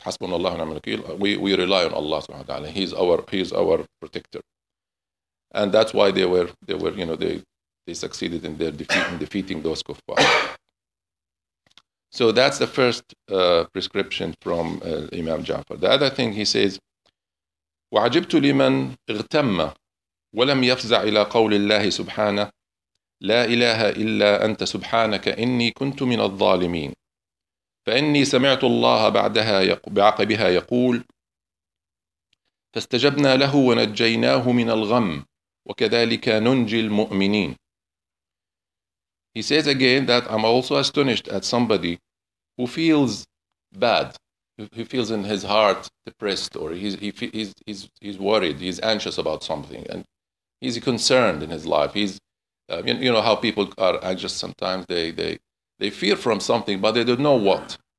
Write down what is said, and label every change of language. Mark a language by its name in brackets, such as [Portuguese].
[Arabic] Hasbunallahu wa ni'mal wakeel. [English] We rely on Allah subhanahu wa ta'ala. He's our protector. And that's why they succeeded in their defeating those kuffar. So that's the first prescription from Imam Jafar. The other thing he says, [Arabic] وعجبت لمن اغتم ولم يفزع إلى قول الله سبحانه لا إله إلا أنت سبحانك إني كنت من الظالمين فإني سمعت الله بعدها بعقبها يقول فاستجبنا له ونجيناه من الغم وكذلك ننجي المؤمنين. [English] He says again that I'm also astonished at somebody who feels bad. He feels in his heart depressed, or he's worried, he's anxious about something, and he's concerned in his life. He's you know how people are anxious sometimes. They fear from something, but they don't know what.